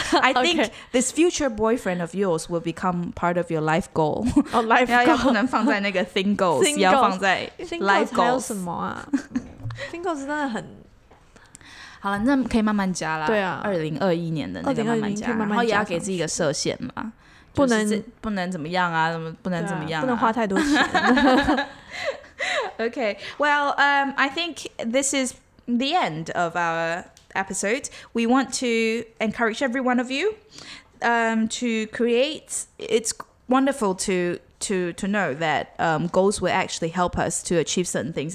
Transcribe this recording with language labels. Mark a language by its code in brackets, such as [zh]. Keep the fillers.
[en] I think this future boyfriend of yours will become part of your life goal. Oh, life goal. [zh] 要不能放在那个 thing goals，要放在 life goals。什么 [en] 啊？thing goals, goals. goals。 [zh] 真的很。好了，那可以慢慢加啦。对啊，二零二一年的那个慢慢加，慢慢加然后也要给自己一个设限嘛，不能、就是、不能怎么样啊，怎么不能怎么样、啊啊，不能花太多钱。 [en] Goals [zh] 真的很... [en] okay. Well, um, I think this is the end of our episode. We want to encourage every one of you um, to create. It's wonderful to. To, to know that um, goals will actually help us to achieve certain things.